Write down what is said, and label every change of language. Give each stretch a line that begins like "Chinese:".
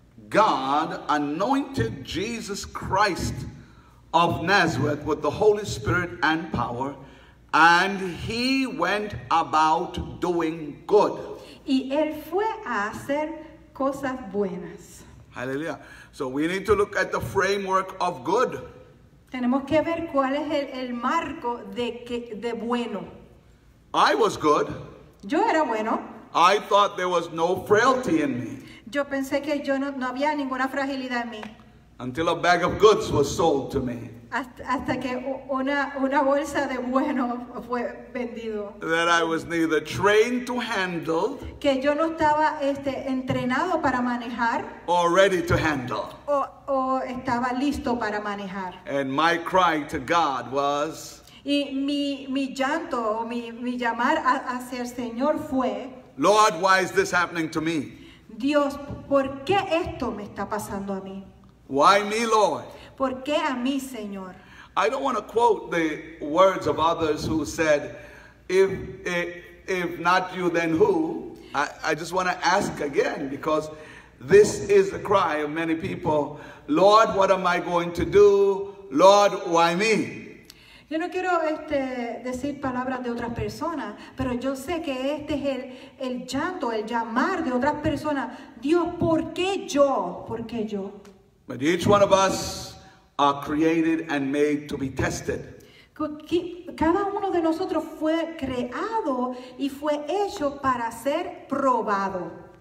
English: God anointed Jesus Christ of Nazareth with the Holy Spirit and power, and he went about doing good.
Spanish: Y él fue a hacer cosas buenas.
English: Hallelujah. So we need to look at the framework of good.
Spanish: Tenemos que ver cuál es el marco de bueno.
English: I was good.
Spanish: Yo era bueno.
English: I thought there was no frailty in me.
Spanish: Yo pensé que yo no había ninguna fragilidad en mí.
English: Until a bag of goods was sold to me.
Spanish: Hasta que una bolsa de bueno fue vendido.
English: That I was neither trained to handle.
Spanish: Que yo no estaba entrenado para manejar.
English: Or ready to handle.
Spanish: O estaba listo para manejar.
English: And my cry to God was.
Spanish: Y mi llanto o mi llamar hacia el Señor fue.
English: Lord, why is this happening to me?
Spanish: Dios, ¿por qué esto me está pasando a mí?
English: Why me, Lord?
Spanish: ¿Por qué a mí, Señor?
English: I don't want to quote the words of others who said, if not you, then who? I just want to ask again, because this is the cry of many people. Lord, what am I going to do? Lord, why me?
Spanish: Yo no quiero decir palabras de otras personas, pero yo sé que este es el llanto, el llamar de otras personas. Dios, ¿por qué yo? ¿Por qué yo?
English: But each one of us are created and made to be tested.
Spanish: Cada uno de nosotros fue creado y fue hecho para ser probado.